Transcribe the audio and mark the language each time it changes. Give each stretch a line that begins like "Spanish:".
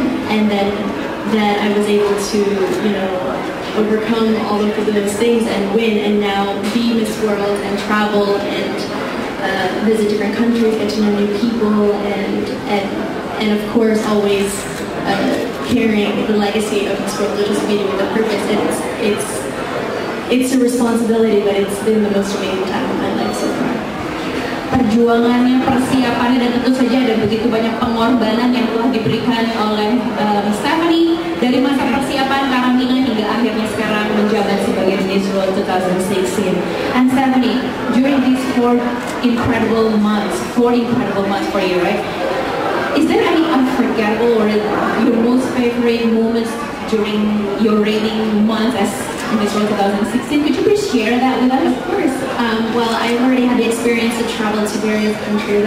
English: And then that I was able to, you know, overcome all of those things and win, and now be Miss World and travel and visit different countries, get to know new people, and of course always carrying the legacy of Miss World, just meeting with a purpose. And it's a responsibility, but it's been the most amazing time of my life so far.
Indonesian: Perjuangannya, persiapannya, dan tentu saja ada begitu banyak pengorbanan yang telah diberikan oleh Stephanie dari masa persiapan karantina hingga akhirnya sekarang menjabat sebagai Miss World 2016.
English: And Stephanie, during these four incredible months for you, right? Is there any unforgettable or your most favorite moments during your reigning month as Miss World 2016? Could you please share that with us? Of course. Well, I've already had the experience to travel to various countries.